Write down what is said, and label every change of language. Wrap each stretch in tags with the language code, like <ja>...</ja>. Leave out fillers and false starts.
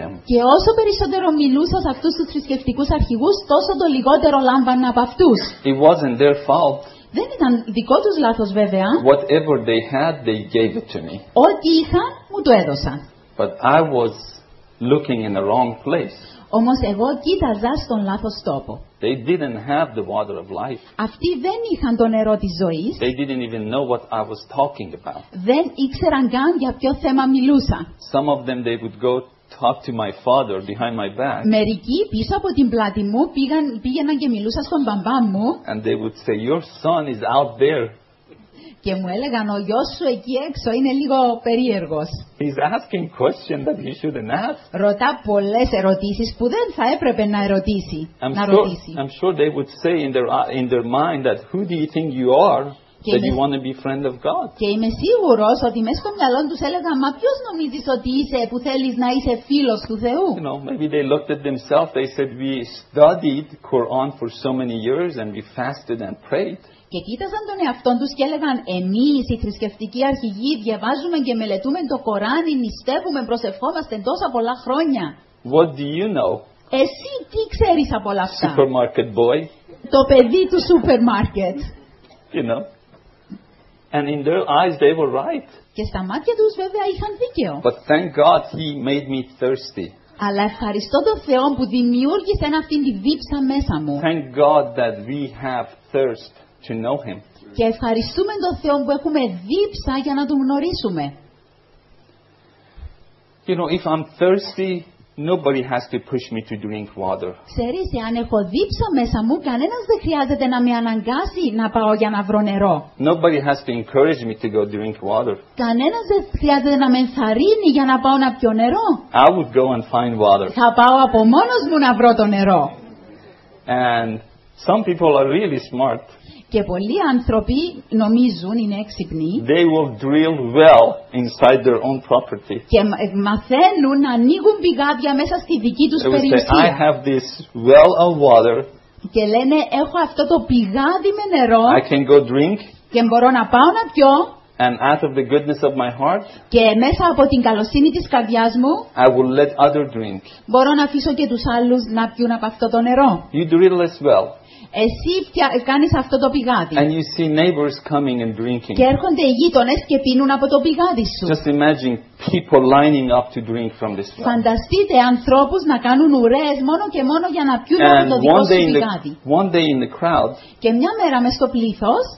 <el>Και όσο περισσότερο μιλούσα σε αυτούς τους θρησκευτικούς αρχηγούς, τόσο το λιγότερο λάμβανα από αυτούς.</el> <en>It wasn't their fault.</en> <el>Δεν ήταν δικό τους λάθος βέβαια.</el> <en>Whatever they had, they gave it to me.</en> <el>Ό,τι είχαν, μου το έδωσαν.</el> <en>But I was looking in the wrong place.</en> <el>Όμως εγώ κοίταζα στον λάθος τόπο.</el> <en>They didn't have the water of life.</en> <el>Αυτοί δεν είχαν το νερό της ζωής.</el> <en>They didn't even know what I was talking about.</en> <el>Δεν ήξεραν καν για ποιο θέμα μιλούσα.</el> <en>Some of them they would go talk to my father behind my back.</en> <el>Μερικοί πίσω από την πλάτη μου πήγαιναν και μιλούσαν στον μπαμπά μου.</el> <en>And they would say, "Your son is out there."</en> <el>Και μου έλεγαν, ο γιος σου εκεί έξω είναι λίγο περίεργος.</el> <en>He's asking questions that he shouldn't ask.</en> <el>Ρωτά πολλές ερωτήσεις που δεν θα έπρεπε να ρωτήσει.</el> <en>I'm sure they would say in their mind that who do you think you are that you want to be friend of God?</en> <el>Και είμαι σίγουρος ότι μέσα στο μυαλό τους έλεγαν, μα ποιος νομίζεις ότι είσαι που θέλεις να είσαι φίλος του Θεού?</el> <en>You know, maybe they looked at themselves, they said, we studied Quran for so many years and we fasted and prayed.</en> <el>Και κοίταζαν τον εαυτό τους και έλεγαν, εμείς οι θρησκευτικοί αρχηγοί διαβάζουμε και μελετούμε το Κοράνι, νηστεύουμε, προσευχόμαστε τόσα πολλά χρόνια.</el> <en>What do you know?</en> <el>Εσύ τι ξέρεις από όλα αυτά?</el> <en>Supermarket boy.</en> <el>Το παιδί του σούπερ μάρκετ.</el> <en>You know. And in their eyes they were right.</en> <el>Και στα μάτια τους βέβαια είχαν δίκαιο.</el> <en>But thank God he made me thirsty.</en> <el>Αλλά ευχαριστώ τον Θεό που δημιούργησε αυτήν τη δίψα μέσα μου.</el> <en>Thank God that we have thirst. To know him.</en> <el>Και ευχαριστούμε τον Θεό που έχουμε δίψα για να τον γνωρίσουμε.</el> <en>You know, if I'm thirsty, nobody has to push me to drink water.</en> <el>Ξέρεις, αν έχω δίψα μέσα μου, κανένας δεν χρειάζεται να με αναγκάσει να πάω για να βρω νερό.</el> <en>Nobody has to encourage me to go drink water.</en> <el>Κανένας δεν χρειάζεται να με ενθαρρύνει για να πάω να πιω νερό.</el> <en>I would go and find water.</en> <el>Θα πάω από μόνος μου να βρω το νερό.</el> <en>And some people are really smart.</en> <el>Και πολλοί άνθρωποι νομίζουν είναι έξυπνοι.</el> <en>They will drill well inside their own property.</en> <el>Και μαθαίνουν να ανοίγουν πηγάδια μέσα στη δική τους περιουσία.</el> <en>They say, I have this well of water.</en> <el>Και λένε, έχω αυτό το πηγάδι με νερό.</el> <en>I can go drink.</en> <el>Και μπορώ να πάω να πιω.</el> <en>And out of the goodness of my heart.</en> <el>Και μέσα από την καλοσύνη της καρδιάς μου.</el> <en>I will let other drink.</en> <el>Μπορώ να αφήσω και τους άλλους να πιούν από αυτό το νερό.</el> <en>You drill as well.</en> <el>Εσύ κάνεις αυτό το πηγάδι.</el> <en>And you see neighbors coming and drinking.</en> <el>Και έρχονται οι γείτονες και πίνουν από το πηγάδι σου.</el> <en>Just imagine people lining up to drink from this well.</en> <el>Φανταστείτε ανθρώπους να κάνουν ουρές μόνο και μόνο για να πιούν</el> <en>and</en> <el>από το δικό σου πηγάδι.</el> <en>One day in the crowd,</en> <el>και μια μέρα μες στο πλήθος,</el>